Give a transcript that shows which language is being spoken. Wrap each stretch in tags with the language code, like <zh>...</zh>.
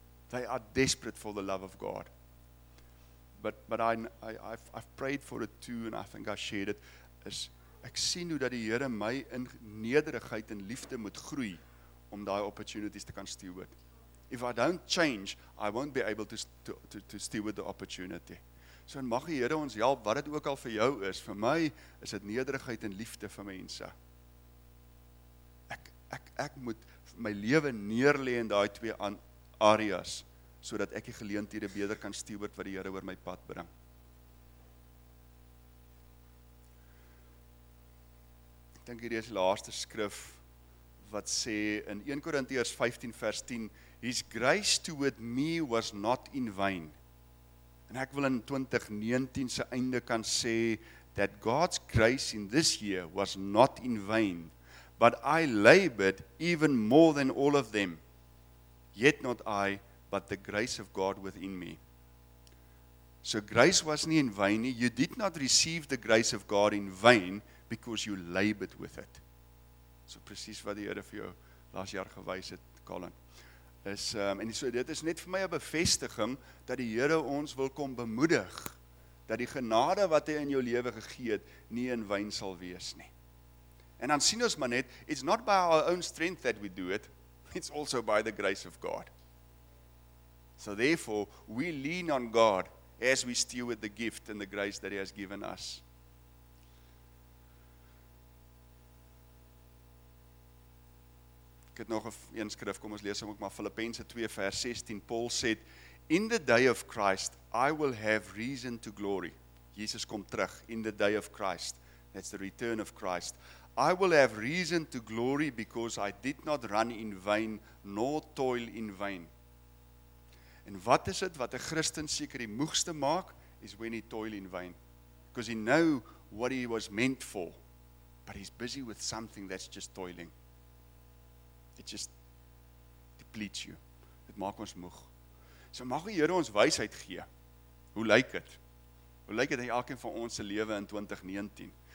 <en>They are desperate for the love of God. But I've prayed for it too, and I think I shared it.</en> <af>Is ek sien hoe dat die Here my in nederigheid en liefde moet groei om daai opportunities te kan steward. If I don't change, I won't be able to steward the opportunity. So mag die Here ons help, wat dit ook al vir jou is. Vir my is dit nederigheid en liefde vir mense. Ek moet my lewe neerlê in daai twee areas sodat ek die geleenthede beter kan steward wat die Here oor my pad bring. Ek dink hierdie is die laaste skrif wat sê in 1 Korintiërs 15 vers 10,</af> <en>His grace toward me was not in vain.</en> <af>En ek wil in 2019 se einde kan sê</af> <en>that God's grace in this year was not in vain, but I labored even more than all of them. Yet not I, but the grace of God within me. So grace was</en> <af>nie</af> <en>in vain nie. You did not receive the grace of God in vain because you labored with it.</en> <af>So presies wat die Here vir jou laas jaar gewys het, Colin. Dit is net vir my 'n bevestiging dat die Here ons wil kom bemoedig dat die genade wat hy in jou lewe gegee het nie</af> <en>in vain</en> <af>sal wees nie. En dan sien ons maar net,</af> <en>it's not by our own strength that we do it. It's also by the grace of God. So therefore, we lean on God as we steward the gift and the grace that he has given us.</en> <af>Ek het nog 'n skrif, kom ons lees hom ook maar, Filippense 2 vers 16, Paul sê,</af> <en>In the day of Christ, I will have reason to glory.</en> <af>Jesus kom terug,</af> <en>in the day of Christ, that's the return of Christ. I will have reason to glory because I did not run in vain, nor toil in vain.</en> <af>En wat is dit wat 'n Christen seker die moegste maak, is</af> <en>when he toil in vain. Because he know what he was meant for, but he's busy with something that's just toiling. It just depletes you.</en> <af>Dit maak ons moeg. So mag die Here ons wysheid gee. Hoe lyk dit? Hoe lyk dit in elkeen van ons se lewe in 2019?</af>